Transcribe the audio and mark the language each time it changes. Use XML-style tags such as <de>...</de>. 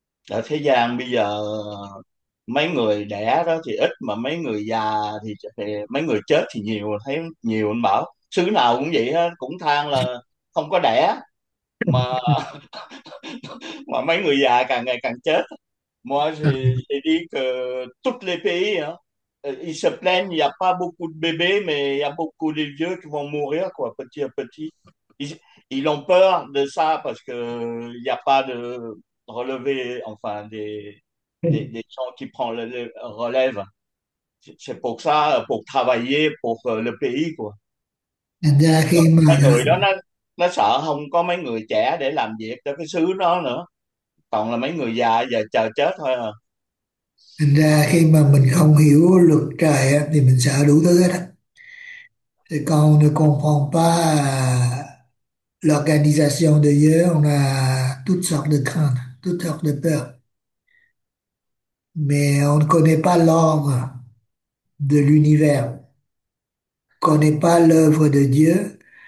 <vi>Ở thế gian bây giờ mấy người đẻ đó thì ít, mà mấy người già thì mấy người chết thì nhiều, thấy nhiều. Anh bảo xứ nào cũng vậy hết, cũng than là không có đẻ mà mấy người già càng ngày càng chết.</vi> <fr>Moi</fr> <vi>thì đi</vi> <fr>que toutes les pays hein, ils se plaignent, il y a pas beaucoup de bébés mais il y a beaucoup de vieux qui vont mourir quoi, petit à petit. Ils ont peur de ça parce que il y a pas de relever, enfin des gens qui prennent le relève. C'est pour ça, pour travailler pour le pays quoi. Là</fr> <vi>Mấy khi mà người đó nó sợ không có mấy người trẻ để làm việc cho cái xứ nó nữa, còn là mấy người già giờ chờ chết thôi à. Thành ra khi mà mình không hiểu luật trời á, thì mình sợ đủ thứ hết á. Thì còn</vi> <fr>ne comprend pas l'organisation de Dieu, on a toutes sortes de craintes, toutes sortes de peurs. Mais on ne connaît pas l'ordre de l'univers. On ne connaît pas l'œuvre de Dieu.</fr>